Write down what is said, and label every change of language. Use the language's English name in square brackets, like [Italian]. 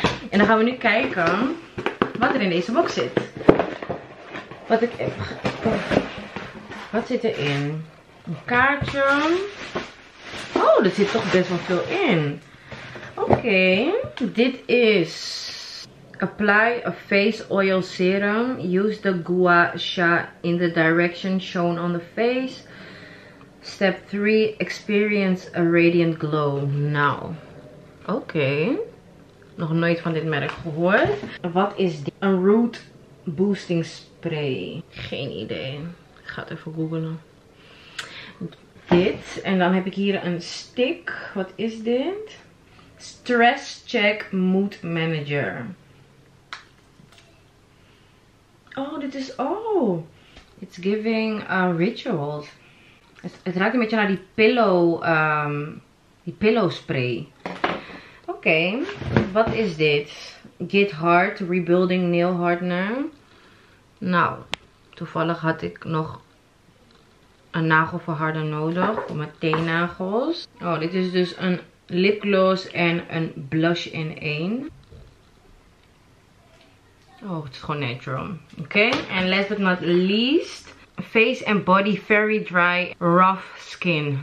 [Dutch] En dan gaan we nu kijken wat er in deze box zit. Wat ik heb. Wat zit erin? Een kaartje. Oh, er zit toch best wel veel in. Oké. Dit is [English] Apply a face oil serum. Use the Gua Sha in the direction shown on the face. Step 3. Experience a radiant glow now. Okay. [Dutch] Nog nooit van dit merk gehoord. Wat is dit? Een root boosting spray. Geen idee. Ik ga het even googlen. Dit. En dan heb ik hier een stick. Wat is dit? Stress Check Mood Manager. Oh, dit is... Oh. [English] It's giving rituals. [Dutch] Het ruikt een beetje naar die pillow... die pillow spray. Oké. Wat is dit? Get Hard Rebuilding Nail Hardener. Nou, toevallig had ik nog... een nagelverharder nodig voor mijn teennagels. Oh, dit is dus een lipgloss en een blush in één. Oh, het is gewoon natural. Oké, en [English] last but not least. Face and body very dry, rough skin.